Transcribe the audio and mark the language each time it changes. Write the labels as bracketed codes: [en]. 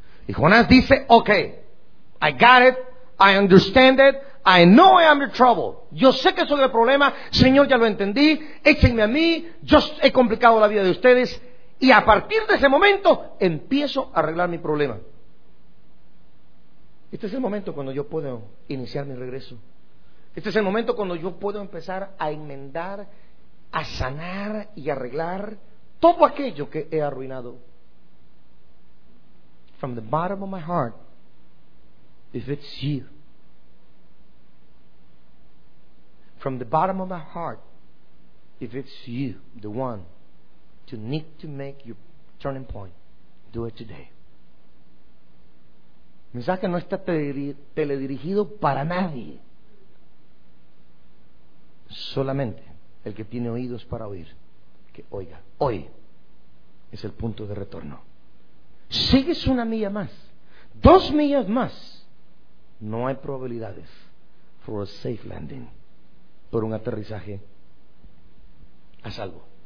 [es] Y Jonás dice, [en] ok, I got it, I understand it, I know I am your trouble. [es] Yo sé que soy el problema, Señor, ya lo entendí, échenme a mí, yo he complicado la vida de ustedes, y a partir de ese momento empiezo a arreglar mi problema. Este es el momento cuando yo puedo iniciar mi regreso. Este es el momento cuando yo puedo empezar a enmendar, a sanar y arreglar todo aquello que he arruinado. [en] From the bottom of my heart, if it's you, from the bottom of my heart, if it's you, the one to need to make your turning point, do it today. [es] El mensaje no está teledirigido para nadie, solamente el que tiene oídos para oír, que oiga. Hoy es el punto de retorno. Sigues una milla más, dos millas más, no hay probabilidades [en] for a safe landing, [es] por un aterrizaje a salvo.